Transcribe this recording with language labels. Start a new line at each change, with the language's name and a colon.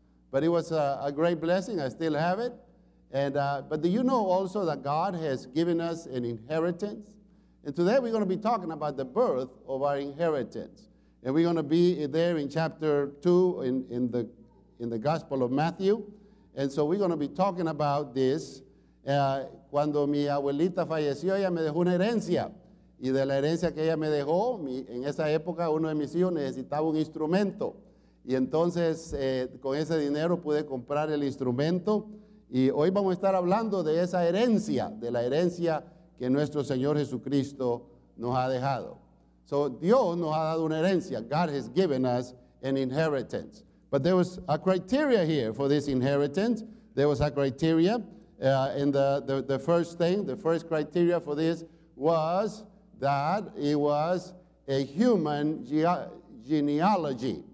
English: But it was a great blessing. I still have it. But do you know also that God has given us an inheritance? And today we're going to be talking about the birth of our inheritance. And we're going to be there in chapter 2 in the Gospel of Matthew. And so we're going to be talking about this.
Spanish: Cuando mi abuelita falleció, ella me dejó una herencia. Y de la herencia que ella me dejó, en esa época uno de mis hijos necesitaba un instrumento. Y entonces con ese dinero pude comprar el instrumento. Y hoy vamos a estar hablando de esa herencia, de la herencia que nuestro Señor Jesucristo nos ha dejado.
English: So
Spanish: Dios nos ha dado una herencia.
English: God has given us an inheritance. But there was a criteria here for this inheritance. There was a criteria. And the first criteria for this was that it was a human genealogy.